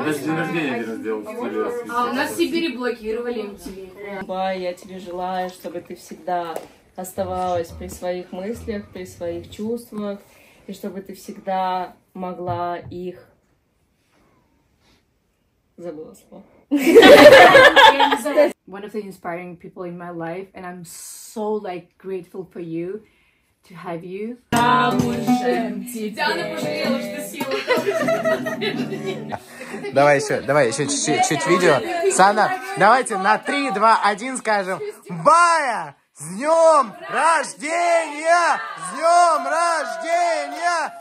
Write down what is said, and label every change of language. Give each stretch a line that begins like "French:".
Russian: Это день рождения я сделал. А у нас в Сибири блокировали MTV. Бай, я тебе желаю, чтобы ты всегда оставалась при своих мыслях, при своих чувствах. И чтобы ты всегда могла их... Забыла слово.
English: One of the inspiring people in my life, and I'm so, like, grateful for you, to have you.
Russian: Давай еще чуть-чуть видео. Сана, давайте на 3, 2, 1 скажем. Бая! С днем рождения! С днем рождения!